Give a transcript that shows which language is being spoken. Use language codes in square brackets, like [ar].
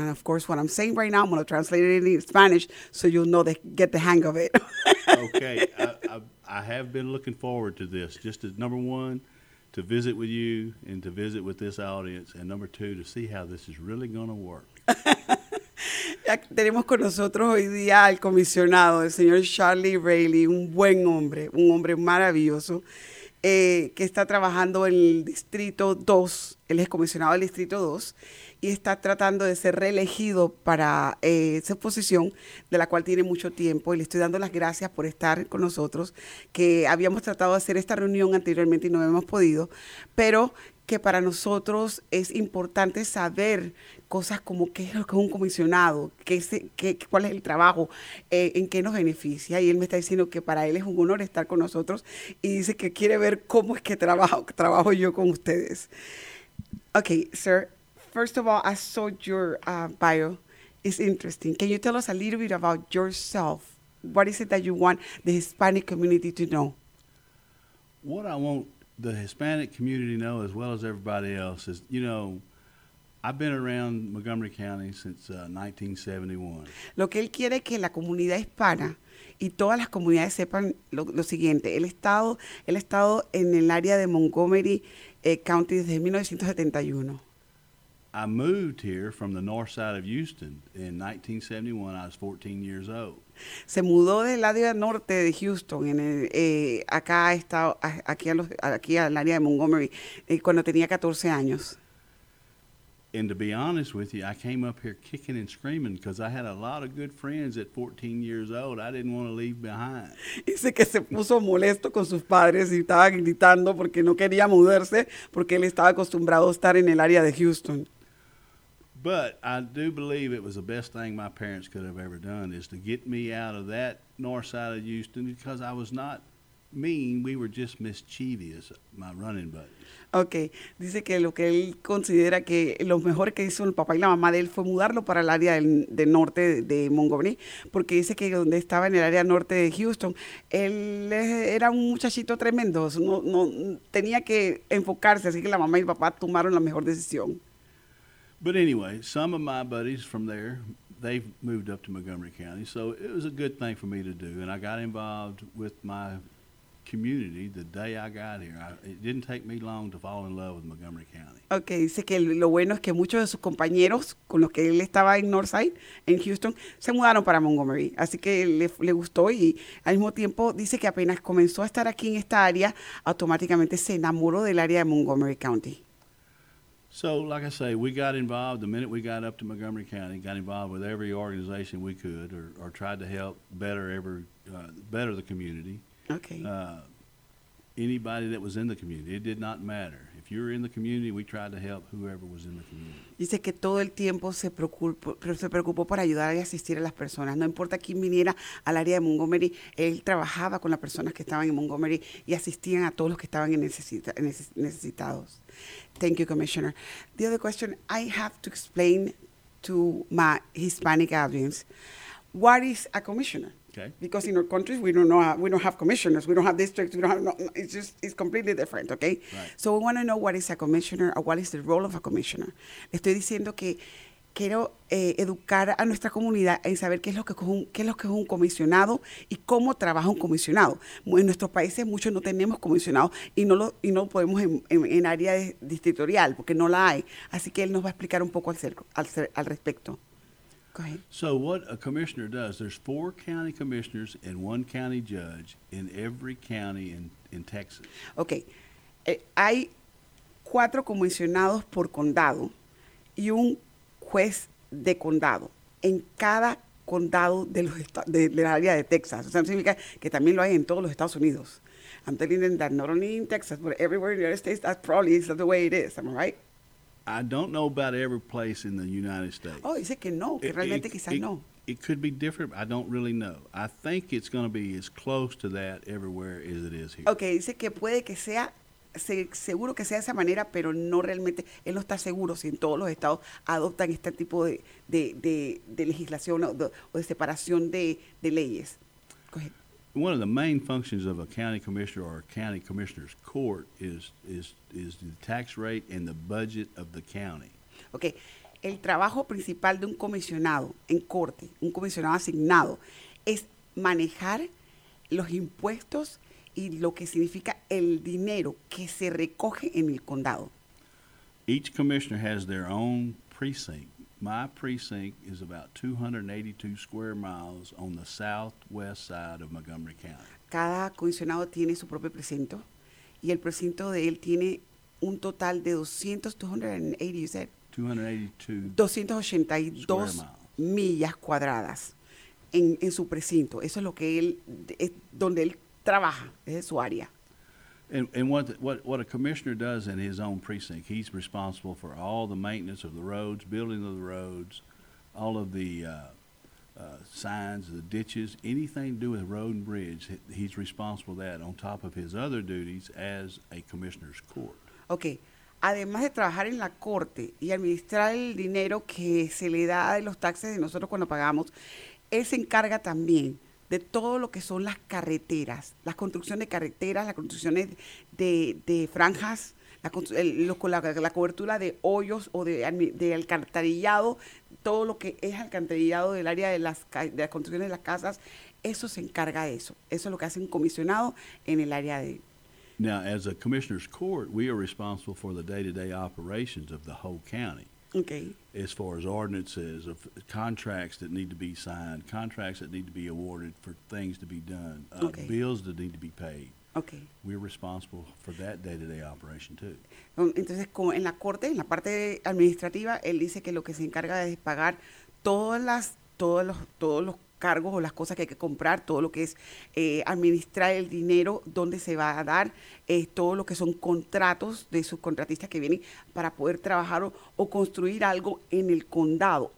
[en] And of course, what I'm saying right now, I'm going to translate it in Spanish so you'll know, get the hang of it. Okay. I have been looking forward to this, just as number one, to visit with you and to visit with this audience, and number two, to see how this is really going to work. [es] Ya tenemos con nosotros hoy día al comisionado, el señor Charlie Riley, un buen hombre maravilloso, que está trabajando en el Distrito 2, él es comisionado del Distrito 2, y está tratando de ser reelegido para esa posición, de la cual tiene mucho tiempo, y le estoy dando las gracias por estar con nosotros, que habíamos tratado de hacer esta reunión anteriormente y no hemos podido, pero que para nosotros es importante saber cosas como qué es lo que es un comisionado, cuál es el trabajo, en qué nos beneficia. Y él me está diciendo que para él es un honor estar con nosotros y dice que quiere ver cómo es que trabajo yo con ustedes. [en] Okay, sir, first of all, I saw your bio. It's interesting. Can you tell us a little bit about yourself? What is it that you want the Hispanic community to know? What I want the Hispanic community know, as well as everybody else, is, you know, I've been around Montgomery County since 1971. [es] Lo que él quiere que la comunidad hispana y todas las comunidades sepan lo siguiente. Él ha estado en el área de Montgomery County desde 1971. [en] I moved here from the north side of Houston in 1971. I was 14 years old. [es] Se mudó del lado norte de Houston, aquí al área de Montgomery, cuando tenía 14 años. [en] And to be honest with you, I came up here kicking and screaming because I had a lot of good friends at 14 years old I didn't want to leave behind. [es] Dice que se puso molesto con sus padres y estaba gritando porque no quería mudarse porque él estaba acostumbrado a estar en el área de Houston. [en] But I do believe it was the best thing my parents could have ever done is to get me out of that north side of Houston because I was not mean. We were just mischievous, my running buddies. Okay. [es] Dice que lo que él considera que lo mejor que hizo el papá y la mamá de él fue mudarlo para el área del norte de Montgomery, porque dice que donde estaba en el área norte de Houston, él era un muchachito tremendo. No tenía que enfocarse, así que la mamá y el papá tomaron la mejor decisión. [en] But anyway, some of my buddies from there, they've moved up to Montgomery County, so it was a good thing for me to do, and I got involved with my community the day I got here. It didn't take me long to fall in love with Montgomery County. [es] Okay, dice que lo bueno es que muchos de sus compañeros con los que él estaba en Northside, en Houston, se mudaron para Montgomery, así que le gustó, y al mismo tiempo dice que apenas comenzó a estar aquí en esta área, automáticamente se enamoró del área de Montgomery County. [en] So, like I say, we got involved the minute we got up to Montgomery County, got involved with every organization we could or tried to help better the community. Okay. Anybody that was in the community, it did not matter. If you were in the community, we tried to help whoever was in the community. [es] Dice que todo el tiempo se preocupó por ayudar y asistir a las personas. No importa quién viniera al área de Montgomery, él trabajaba con las personas que estaban en Montgomery y asistían a todos los que estaban necesitados. [en] Thank you, Commissioner. The other question I have to explain to my Hispanic audience, what is a commissioner? Okay. Because in our countries, we don't have commissioners. We don't have districts. It's completely different, okay? Right. So we want to know what is a commissioner or what is the role of a commissioner. [es] Le estoy diciendo que quiero educar a nuestra comunidad en saber qué es lo que es un comisionado y cómo trabaja un comisionado. En nuestros países muchos no tenemos comisionados y no podemos en área distritorial porque no la hay. Así que él nos va a explicar un poco al respecto. [en] Go ahead. So what a commissioner does, there's four county commissioners and one county judge in every county in Texas. Okay. [es] Hay cuatro comisionados por condado y un juez de condado en cada condado de la área de Texas. O sea, significa que también lo hay en todos los Estados Unidos. [en] I'm telling them that not only in Texas, but everywhere in the United States, that probably is the way it is. Am I right? I don't know about every place in the United States. [es] Oh, dice que no, que realmente quizás no. [en] It could be different. I don't really know. I think it's going to be as close to that everywhere as it is here. [es] Okay, dice que puede que sea. Seguro que sea de esa manera, pero no realmente, él no está seguro si en todos los estados adoptan este tipo de legislación o de separación de leyes. [en] Go ahead. One of the main functions of a county commissioner or a county commissioner's court is the tax rate and the budget of the county. [es] Okay, el trabajo principal de un comisionado en corte, un comisionado asignado, es manejar los impuestos y lo que significa el dinero que se recoge en el condado. [en] Each commissioner has their own precinct. My precinct is about 282 square miles on the southwest side of Montgomery County. [es] Cada comisionado tiene su propio precinto y el precinto de él tiene un total de 282 millas cuadradas en su precinto. Eso es lo que él, es donde él trabaja, es su área. [en] And what the, what a commissioner does in his own precinct, he's responsible for all the maintenance of the roads, building of the roads, all of the signs, the ditches, anything to do with road and bridge, he's responsible for that on top of his other duties as a commissioner's court. Okay. [es] Además de trabajar en la corte y administrar el dinero que se le da de los taxes de nosotros cuando pagamos, él se encarga también de todo lo que son las carreteras, la construcción de carreteras, las construcciones de franjas, la cobertura de hoyos o de alcantarillado, todo lo que es alcantarillado del área de las construcciones de las casas, eso se encarga de eso. Eso es lo que hace un comisionado en el área de... [en] Now, as a commissioner's court, we are responsible for the day-to-day operations of the whole county. Okay. As far as ordinances, of contracts that need to be signed, contracts that need to be awarded for things to be done, okay. Bills that need to be paid. Okay. We're responsible for that day-to-day operation, too. [es] Entonces, como en la corte, en la parte administrativa, él dice que lo que se encarga es pagar todos los cargos o las cosas que hay que comprar, todo lo que es administrar el dinero, dónde se va a dar, todo lo que son contratos de sus contratistas que vienen para poder trabajar o construir algo en el condado.